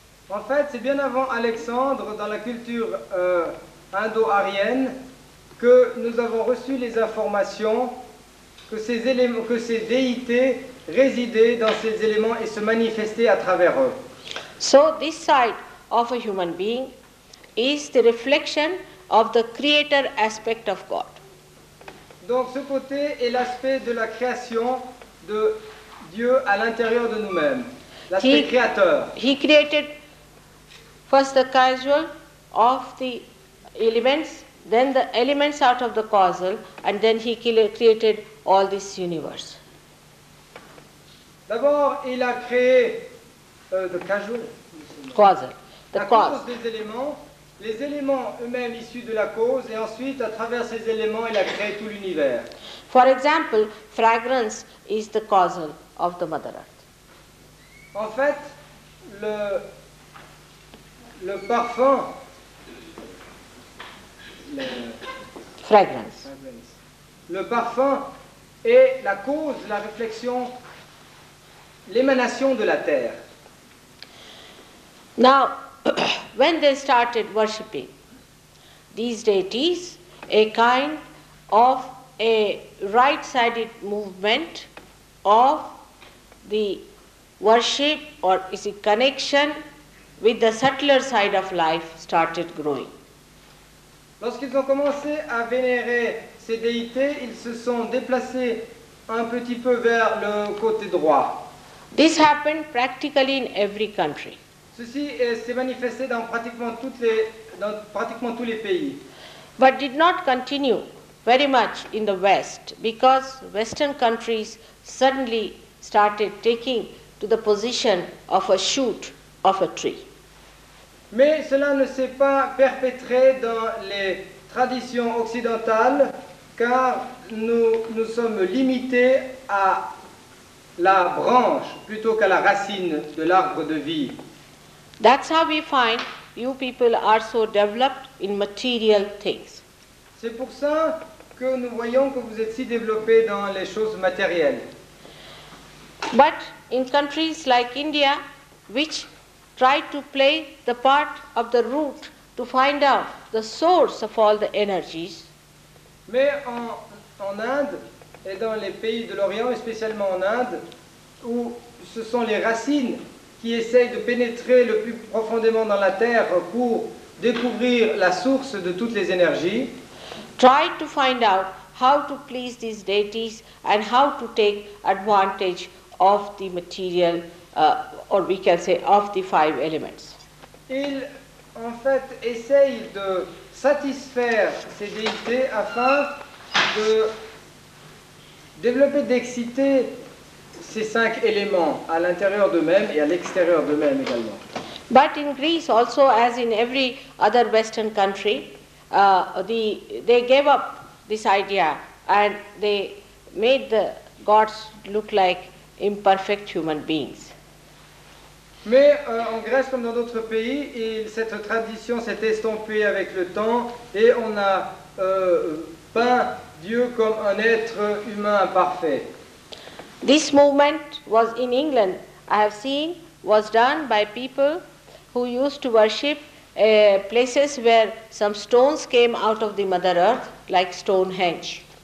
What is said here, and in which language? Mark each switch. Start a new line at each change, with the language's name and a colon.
French: En fait, c'est bien avant Alexandre, dans la culture indo-aryenne, que nous avons reçu les informations que ces éléments, que ces déités résidaient dans ces éléments et se manifestaient à travers eux.
English: So this side of a human being is the reflection of the creator aspect of God.
French: Donc ce côté est l'aspect de la création de Dieu à l'intérieur de nous-mêmes, l'aspect créateur.
English: He created first the causal of the elements, then the elements out of the causal, and then he created all this universe.
French: D'abord, il a créé
English: the causal.
French: Des éléments. Les éléments eux-mêmes issus de la cause, et ensuite, à travers ces éléments, il a créé tout l'univers.
English: For example, fragrance is the causal of the Mother Earth.
French: En fait, le parfum,
English: fragrance.
French: Le parfum est la cause, la réflexion, l'émanation de la terre.
English: Now, when they started worshipping these deities, a kind of a right-sided movement of the worship, or is it connection with the subtler side of life, started growing.
French: Lorsqu'ils ont commencé à vénérer ces déités, ils se sont déplacés un petit peu vers le côté droit.
English: This happened practically in every country.
French: Ceci s'est manifesté dans pratiquement tous les pays.
English: But did not continue very much in the West, because Western countries suddenly started taking to the position of a shoot of a tree.
French: Mais cela ne s'est pas perpétré dans les traditions occidentales, car nous sommes limités à la branche plutôt qu'à la racine de l'arbre de vie.
English: That's how we find you people are so developed in material things.
French: C'est pour ça que nous voyons que vous êtes si développés dans les choses matérielles.
English: But in countries like India, which try to play the part of the root to find out the source of all the energies.
French: Mais en Inde et dans les pays de l'Orient, et spécialement en Inde, où ce sont les racines qui essaye de pénétrer le plus profondément dans la terre pour découvrir la source de toutes les énergies.
English: Try to find out how to please these deities and how to take advantage of the material, or we can say, of the five elements.
French: Il, en fait, essaye de satisfaire ces déités afin de développer, d'exciter ces cinq éléments à l'intérieur d'eux-mêmes et à l'extérieur d'eux-mêmes également.
English: But in Greece also, as in every other Western country, they gave up this idea and they made the gods look like imperfect human beings.
French: Mais en Grèce comme dans d'autres pays, cette tradition s'est estompée avec le temps et on a peint Dieu comme un être humain imparfait.
English: This movement was in England, I have seen, was done by people who used to worship places where some stones came out of the Mother Earth, like Stonehenge.